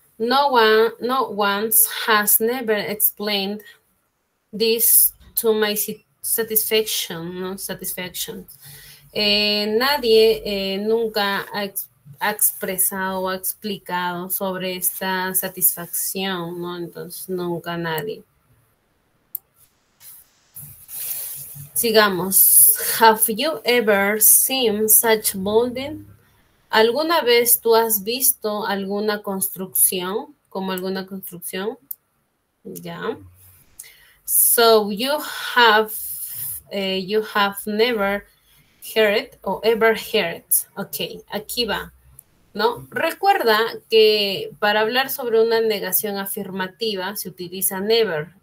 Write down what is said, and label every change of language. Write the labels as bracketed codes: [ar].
[en] No one has never explained this to my satisfaction, ¿no? Satisfaction. [es] Nadie nunca ha expresado o ha explicado sobre esta satisfacción, ¿no? Entonces, nunca nadie. Sigamos. [en] Have you ever seen such building? [es] ¿Alguna vez tú has visto alguna construcción? ¿Como alguna construcción? Ya. [en] So, you have never heard or ever heard. [es] Ok, aquí va. ¿No? Recuerda que para hablar sobre una negación afirmativa se utiliza never.